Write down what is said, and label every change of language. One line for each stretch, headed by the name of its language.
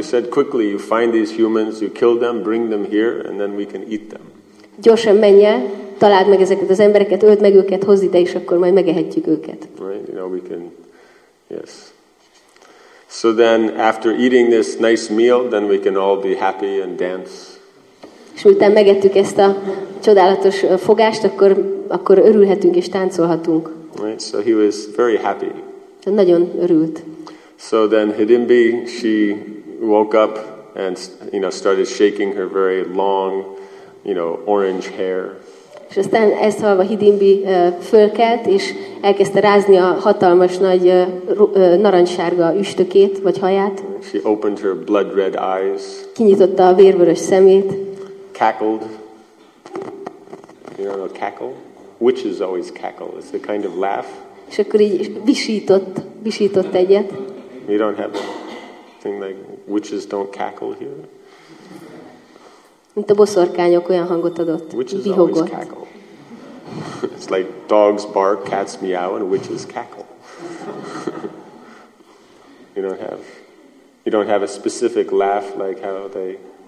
English: So he said, quickly, you find these humans, you kill them, bring them here, and then we can eat them.
Hungarian: Gyorsan menj el, találd meg ezeket az embereket, öld meg őket, hozd ide, és akkor majd megehetjük őket.
English: Right? You know, we can, yes. So then, after eating this nice meal, then we can all be happy and dance.
Hungarian: És miután megettük ezt a csodálatos fogást, akkor örülhetünk és táncolhatunk.
English: Right, so he was very happy.
Hungarian: Nagyon örült.
English: So then Hidimbi, she woke up and, you know, started shaking her very long, you know, orange hair.
Hungarian: És aztán ezt hallva Hidimbi fölkelt, és elkezdte rázni a hatalmas nagy narancssárga üstökét, vagy haját.
English: She opened her blood red eyes.
Hungarian: Kinyitotta a vérvörös szemét.
English: Cackled. You don't know cackle? Witches always cackle. It's a kind of laugh.
Hungarian: És akkor így visított egyet.
English: We don't have a thing like witches don't cackle here.
Hungarian: Mint a boszorkányok olyan hangot adott.
English: Witches
Hungarian: vihogott.
English: Always cackle. It's like dogs bark, cats meow, and witches cackle. You don't have a specific laugh like how they...